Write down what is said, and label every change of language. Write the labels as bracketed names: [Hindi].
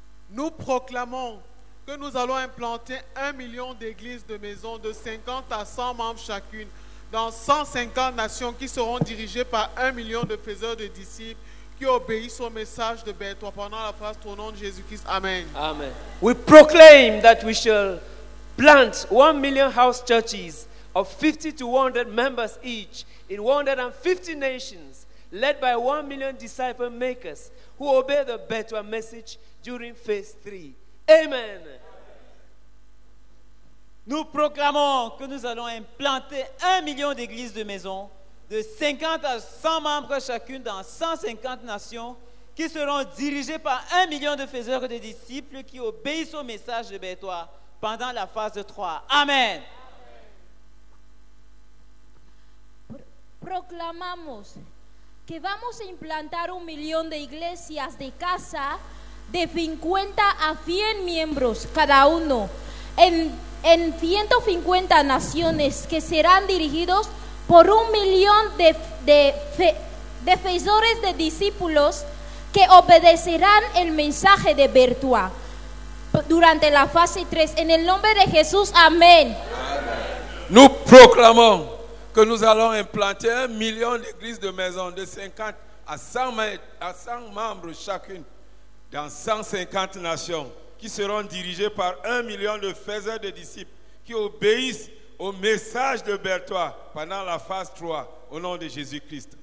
[French] Nous proclamons que nous allons implanter 1 million d'églises de maisons de 50 à 100 membres chacune dans 150 nations qui seront dirigées par 1 million de faiseurs de disciples qui obéissent au message de Bétois pendant la phase 3 au nom de Jésus-Christ. Amen. Amen. [English] We proclaim that we shall plant 1 million house churches of 50 to 100 members each in 150 nations led by 1 million disciple makers who obey the Bétois message during phase 3. Amen. [French] Nous proclamons que nous allons implanter 1 million d'églises de maisons de 50 à 100 membres chacune dans 150 nations qui seront dirigées par 1 million de faiseurs de disciples qui obéissent au message de Bétois pendant la phase 3. Amen. [Spanish] Proclamamos que vamos a implantar 1 million de iglesias de casa de 50 a 100 miembros cada uno en 150 naciones que serán dirigidos por 1 million de [French] faiseurs [Spanish] de discípulos que obedecerán el mensaje de Bétois durante la fase 3. En el nombre de Jesús, amén. [French] Nous proclamons que nous allons implanter 1 million d'églises de maisons de 50 à 100 membres chacune dans 150 nations qui seront dirigées par 1 million de faiseurs de disciples qui obéissent au message de Bétois pendant la phase 3 au nom de Jésus-Christ.